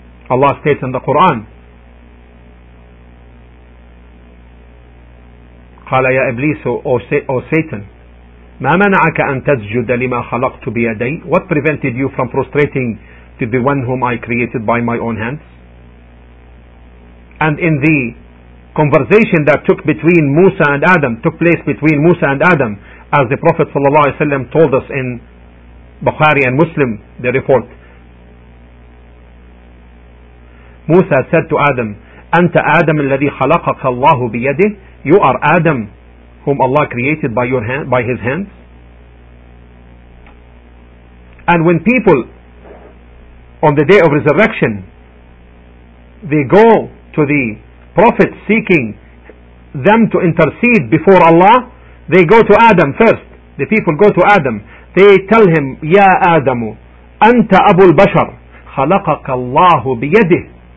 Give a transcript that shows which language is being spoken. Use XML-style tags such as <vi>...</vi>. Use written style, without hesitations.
<en>Allah states in the Quran,</en> <ar>قال يا إبليس أو ساتن ما منعك أن تسجد لما خلقت بيدي.</ar> <en>What prevented you from prostrating to the one whom I created by my own hands? And in the conversation that took between Musa and Adam, took place between Musa and Adam, as the Prophet صلى الله عليه وسلم told us in Bukhari and Muslim, the report, Musa said to Adam,</en> <ar>أنت آدم الذي خلقك الله بيده.</ar> <en>You are Adam whom Allah created by your hand, by his hands. And when people on the day of resurrection, they go to the Prophet seeking them to intercede before Allah, they go to Adam first. The people go to Adam. They tell him,</en> <ar>يا آدم أنت أبو البشر خلقك الله بيده.</ar>